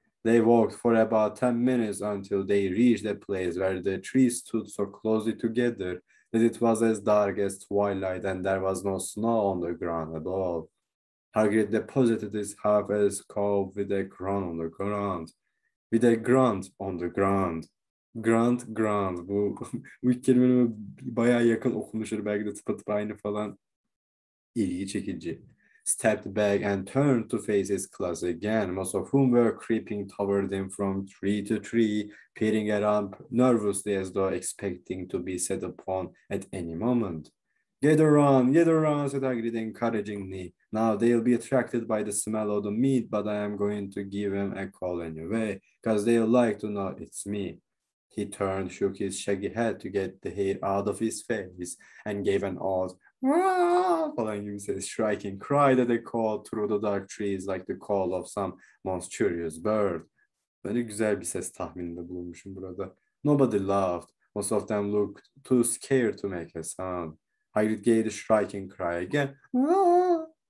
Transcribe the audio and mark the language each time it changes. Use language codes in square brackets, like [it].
[en] They walked for about 10 minutes until they reached a place where the trees stood so closely together that it was as dark as twilight, and there was no snow on the ground at all. Hagrid deposited his half as cob with a groan on the ground. With a grunt on the ground. Grunt, grunt. [tr] Bu kelimeleri bayağı yakın okunmuşlar. Belki de tıpatıp aynı falan. İlgi çekici. [en] Stepped back and turned to face his class again, most of whom were creeping toward him from tree to tree, peering around nervously as though expecting to be set upon at any moment. Get around," said Hagrid encouragingly. "Now they'll be attracted by the smell of the meat, but I am going to give them a call anyway, 'cause they'll like to know it's me." He turned, shook his shaggy head to get the hair out of his face, and gave an odd "wah!" [tr] falan gibi ses, [en] shrieking cry that echoed through the dark trees like the call of some monstrous bird. [tr] Böyle güzel bir ses tahmininde bulunmuşum burada. [en] Nobody laughed. Most of them looked too scared to make a sound. Hagrid gave the shrieking cry again. "Wah!"